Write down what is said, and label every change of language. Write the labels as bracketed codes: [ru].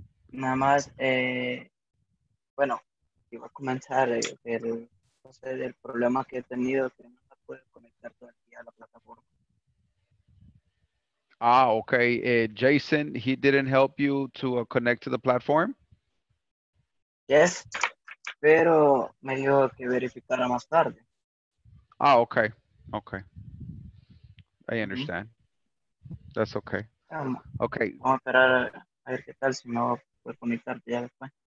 [es] Nada más, bueno, iba a comentar el problema que he tenido, que no se puede conectar todo el día a la plataforma. [en] Ah, okay. Jason, he didn't help you to connect to the platform? [es] Yes, pero me dijo que verificara más tarde. [en] Ah, okay. Okay. I understand. Mm-hmm. That's okay. Okay. [es] Vamos a esperar a ver qué tal, si no puede conectarte ya después.